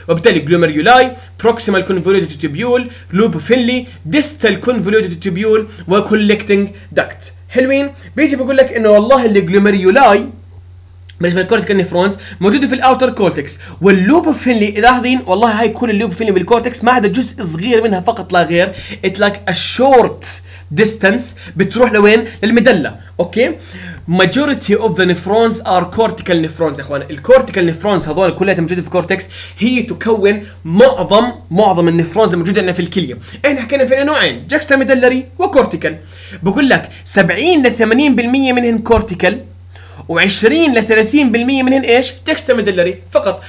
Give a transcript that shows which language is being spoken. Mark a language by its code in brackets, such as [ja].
[ar] وبالتالي جلوميرولاي بروكسيمال كونفولوتد تيبيول لوب اوف هنلي ديستال كونفولوتد تيبيول وكولكتنج داكت. حلوين. بيجي بقول لك انه والله الجلوميرولاي بالنسبة للكورتيكال نيفرونز موجودة في الأوتر كورتكس واللوب اوف هنلي إذا حاضرين والله هاي كل اللوب اوف هنلي بالكورتكس ما عدا جزء صغير منها فقط لا غير. [en] It's like a short distance [ar] بتروح لوين؟ للمدلة. [en] Okay? Majority of the nephrons are cortical nephrons [ar] يا أخوانا. الكورتيكال نيفرونز هذول كلها موجودة في الكورتكس هي تكون معظم النيفرونز الموجودة عندنا في الكلية. إحنا حكينا في نوعين جاكستا ميدلري وكورتيكال. بقول لك 70-80% منهم كورتيكال و20-30% منهم ايش؟ جكستا ميدلري فقط.